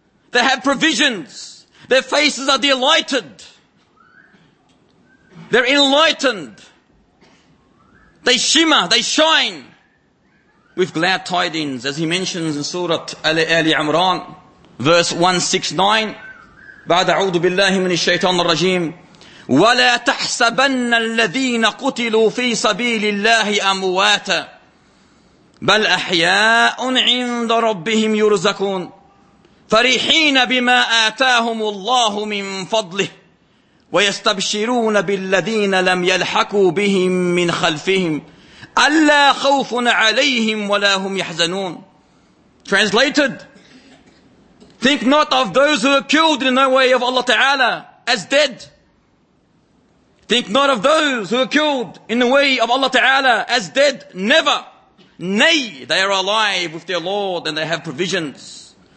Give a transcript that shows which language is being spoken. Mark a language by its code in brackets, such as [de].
[en] They have provisions. Their faces are delighted. They're enlightened. They shimmer. They shine with glad tidings, as he mentions in Surah Ali Imran. Verse 169, [ar] بعد أعوذ بالله من الشيطان الرجيم ولا تحسبن الذين قتلوا في سبيل الله أمواتا بل أحياء عند ربهم يرزقون فرحين بما آتاهم الله من فضله ويستبشرون بالذين لم يلحقوا بهم من خلفهم ألا خوف عليهم ولا هم يحزنون. [en] Translated, think not of those who are killed in the way of Allah Ta'ala as dead. Think not of those who are killed in the way of Allah Ta'ala as dead. Never. Nay, they are alive with their Lord and they have provisions.